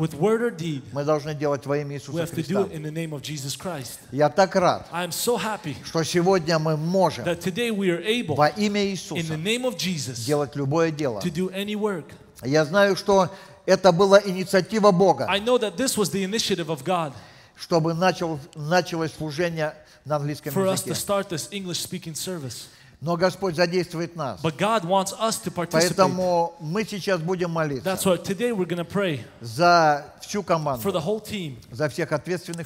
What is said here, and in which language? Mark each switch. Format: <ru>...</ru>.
<en>with word or deed,</en> <ru>мы должны делать во имя Иисуса Христа.</ru> <en>We have to do it in the name of Jesus Christ.</en> <ru>Я так рад,</ru> <en>I am so happy,</en> <ru>что сегодня мы можем,</ru> <en>that today we are able,</en> <ru>во имя Иисуса,</ru> <en>in the name of Jesus,</en> <ru>делать любое дело.</ru> <en>To do any work.</en> <ru>Я знаю, что это была инициатива Бога,</ru> <en>I know that this was the initiative of God,</en> <ru>чтобы началось служение на английском</ru> <en>for</en> <ru>языке.</ru> <en>Us to start this English-speaking service.</en> <ru>Но Господь задействует нас.</ru> <en>But God wants us to participate.</en> <ru>Поэтому мы сейчас будем молиться.</ru> <en>That's why today we're going to pray</en> <ru>за всю команду,</ru> <en>for the whole team,</en> <ru>за всех ответственных</ru>